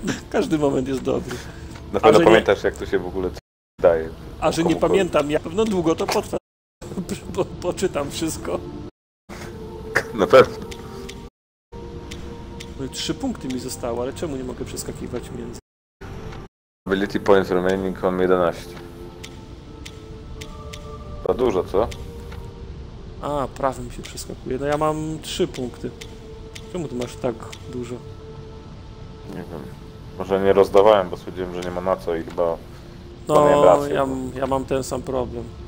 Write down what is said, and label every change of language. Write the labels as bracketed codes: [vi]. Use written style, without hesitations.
[pl] Każdy moment jest dobry. Na pewno pamiętasz, jak to się w ogóle daje. A że nie pamiętam, ja pewno długo to potrwa. Poczytam wszystko. Na pewno. No i 3 punkty mi zostało, ale czemu nie mogę przeskakiwać między? [en] Ability points remaining on 11. [pl] To dużo, co? A, prawym się przeskakuje. No ja mam 3 punkty. Czemu ty masz tak dużo? Nie wiem. Może nie rozdawałem, bo stwierdziłem, że nie ma na co i chyba... No, ja mam ten sam problem.